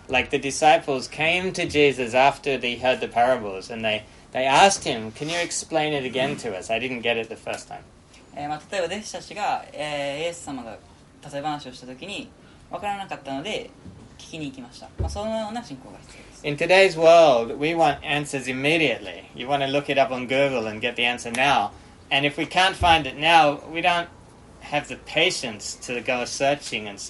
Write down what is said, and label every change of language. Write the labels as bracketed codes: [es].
[en] Like the disciples came to Jesus after they heard the parables and they asked him, can you explain it again to us? I didn't get it the first time. [ja] 例えば弟子たちが、イエス様が例え話をした時に分からなかったので聞きに行きました。まあ、そのような進行が必要です。 [en] In today's world, we want answers immediately. You want to look it up on Google and get the answer now. And if we can't find it now, we don't have the patience to go searching.